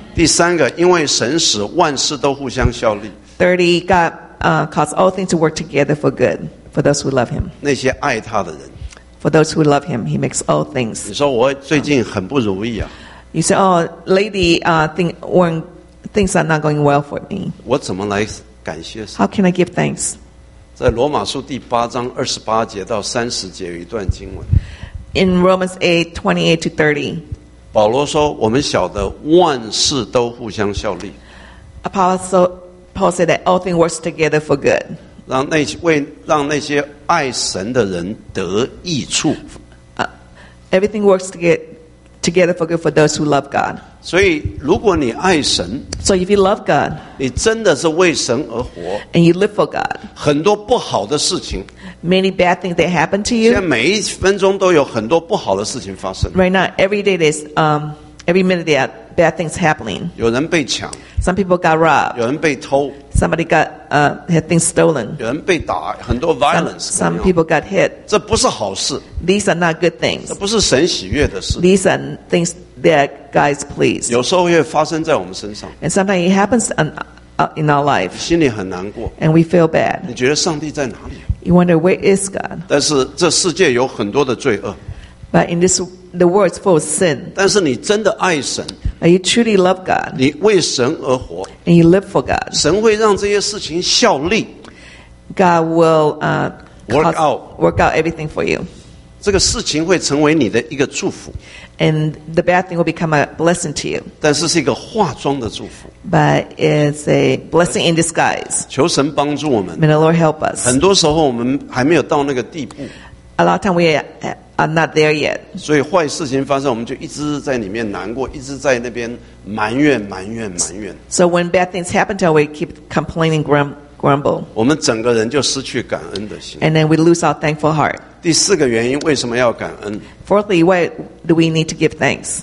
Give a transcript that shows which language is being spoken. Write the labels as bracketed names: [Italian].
[Chinese] 第三个，因为神使万事都互相效力。 [English] Thirdly, God causes all things to work together for good for those who love Him. [Chinese] 那些爱他的人。 [English] For those who love him, he makes all things. [Chinese] 你说我最近很不如意啊。 [English] You say, oh, lady, when things are not going well for me. [Chinese] 我怎么来感谢神 [English] ？How can I give thanks? [Chinese] 在罗马书第八章28节到30节有一段经文。 [English] In Romans 8:28-30. [Chinese] 保罗说我们晓得万事都互相效力。 [English] Paul said that all things work together for good. [Chinese] 让那些爱神的人得益处。 [English] Everything works together for good for those who love God. [Chinese] 所以如果你爱神， [English] so if you love God, [Chinese] 你真的是为神而活， [English] and you live for God, [Chinese] 很多不好的事情， [English] many bad things that happen to you. [Chinese] 现在每一分钟都有很多不好的事情发生。 [English] Right now, every day there's every minute there are bad things happening. [Chinese] 有人被抢。 [English] Some people got robbed. [Chinese] 有人被偷。 [English] Somebody got had things stolen. [Chinese] 有人被打，很多 violence. [English] Some people got hit. [Chinese] 这不是好事。 [English] These are not good things. [Chinese] 这不是神喜悦的事。 [English] These are things that God is pleased. [Chinese] 有时候会发生在我们身上。 [English] And sometimes it happens in our life. [Chinese] 心里很难过。 [English] And we feel bad. [Chinese] 你觉得上帝在哪里？ [English] You wonder where is God. [Chinese] 但是这世界有很多的罪恶。 [English] But in this the world is full of sin. [Chinese] 但是你真的爱神。 [English] And you truly love God. [Chinese] 你为神而活。 [English] And you live for God. [Chinese] 神会让这些事情效力。 [English] God will work out everything for you. [Chinese] 这个事情会成为你的一个祝福。 [English] And the bad thing will become a blessing to you. [Chinese] 但是是一个化妆的祝福。 [English] But it's a blessing in disguise. [Chinese] 求神帮助我们。 [English] May the Lord help us. [Chinese] 很多时候我们还没有到那个地步。 [English] A lot of time we are not there yet. [Chinese] 所以坏事情发生，我们就一直在里面难过，一直在那边埋怨、埋怨、埋怨。 [English] So when bad things happen to us, we keep complaining, grumble. [Chinese] 我们整个人就失去感恩的心。 [English] And then we lose our thankful heart. [Chinese] 第四个原因，为什么要感恩？ [English] Fourthly, why do we need to give thanks?